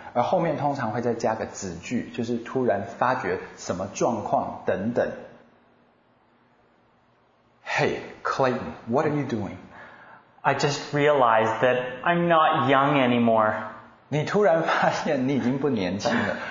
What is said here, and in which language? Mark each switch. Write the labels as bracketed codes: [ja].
[zh] 而后面通常会再加个子句就是突然发觉什么状况等等。 [en] Hey, Clayton, what are you doing? I just realized that I'm not young anymore. [zh] 你突然发现你已经不年轻了。